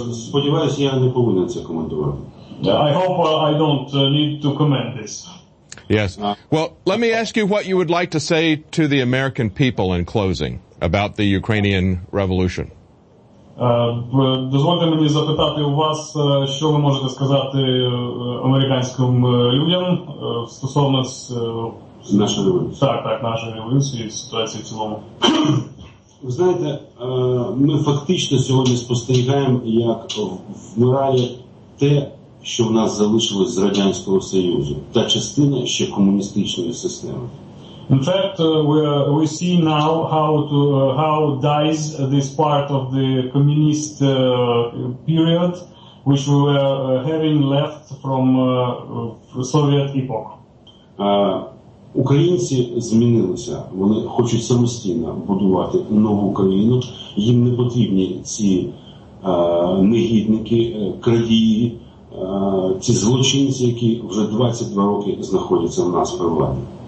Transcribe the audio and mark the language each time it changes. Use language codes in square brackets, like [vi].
[uk] Сподіваюсь, я не повинен це коментувати. [en] I hope I don't need to comment this. Yes. Well, let me ask you what you would like to say to the American people in closing about the Ukrainian revolution. [uk] Дозвольте мені запитати у вас, що ви можете сказати американським людям стосовно нашої революції. Так, нашої революції, ситуації в цілому. Ви знаєте, ми фактично сьогодні спостерігаємо, як вмирає те, що в нас залишилось з Радянського Союзу, та частина ще комуністичної системи. [en] In fact, we see now how dies this part of the communist period, which we were having left from Soviet epoch. [uk] Українці змінилися, вони хочуть самостійно будувати нову країну, їм не потрібні ці негідники, крадії, ці злочинці, які вже 22 роки знаходяться у нас при владі.